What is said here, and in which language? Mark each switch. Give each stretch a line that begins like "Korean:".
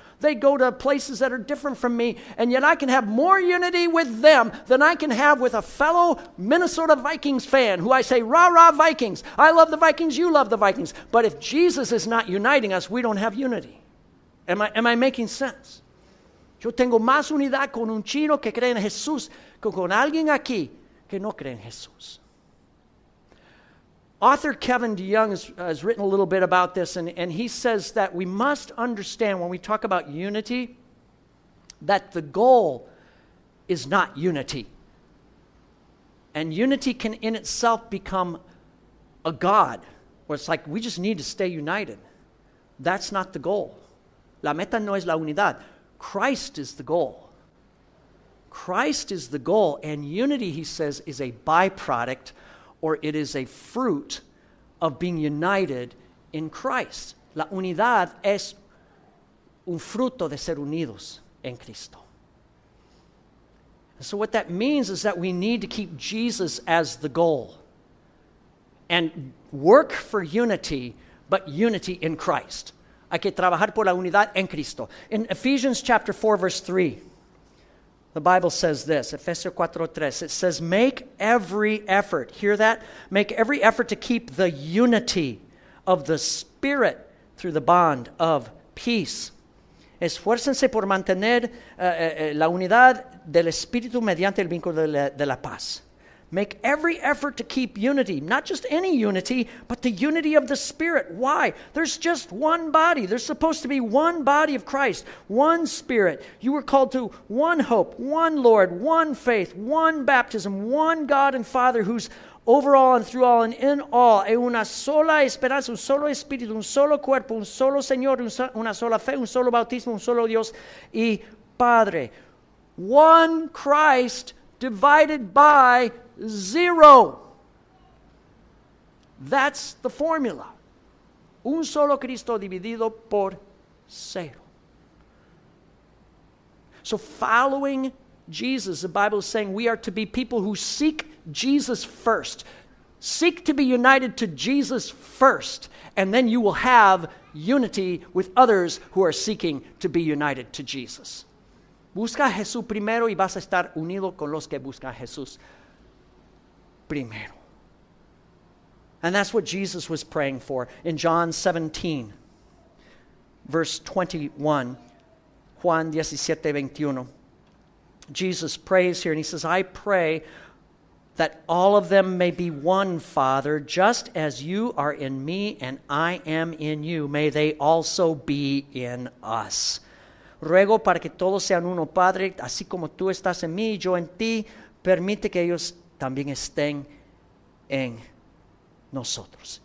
English: They go to places that are different from me, and yet I can have more unity with them than I can have with a fellow Minnesota Vikings fan who I say, rah, rah, Vikings. I love the Vikings, you love the Vikings. But if Jesus is not uniting us, we don't have unity. Am I making sense?
Spanish: Yo tengo más unidad con un chino que cree en Jesús que con alguien aquí que no cree en Jesús.
English: Author Kevin DeYoung has written a little bit about this, and he says that we must understand when we talk about unity that the goal is not unity. And unity can in itself become a God where it's like, we just need to stay united. That's not the goal.
Spanish: La meta no es la unidad.
English: Christ is the goal. Christ is the goal, and unity, he says, is a byproduct, or it is a fruit of being united in Christ.
Spanish: La unidad es un fruto de ser unidos en Cristo.
English: And so what that means is that we need to keep Jesus as the goal and work for unity, but unity in Christ.
Spanish: Hay que trabajar por la unidad en Cristo.
English: In Ephesians chapter 4, verse 3, the Bible says this, Ephesians 4, 3, it says, make every effort, hear that? Make every effort to keep the unity of the Spirit through the bond of peace.
Spanish: Esfuércense por mantener la unidad del Espíritu mediante el vínculo de la paz.
English: Make every effort to keep unity, not just any unity, but the unity of the Spirit. Why? There's just one body. There's supposed to be one body of Christ, one Spirit. You were called to one hope, one Lord, one faith, one baptism, one God and Father who's over all and through all and in all.
Spanish: E una sola esperanza, un solo espíritu, un solo cuerpo, un solo Señor, una sola fe, un solo bautismo, un solo Dios y Padre.
English: One Christ divided by zero. That's the formula.
Spanish: Un solo Cristo dividido por cero.
English: So following Jesus, the Bible is saying we are to be people who seek Jesus first. Seek to be united to Jesus first, and then you will have unity with others who are seeking to be united to Jesus.
Spanish: Busca a Jesús primero y vas a estar unido con los que buscan a Jesús primero.
English: And that's what Jesus was praying for in John 17, verse 21, Juan 17, 21. Jesus prays here and he says, I pray that all of them may be one, Father, just as you are in me and I am in you. May they also be in us.
Spanish: Ruego para que todos sean uno, Padre, así como tú estás en mí y yo en ti, permite que ellos también estén en nosotros.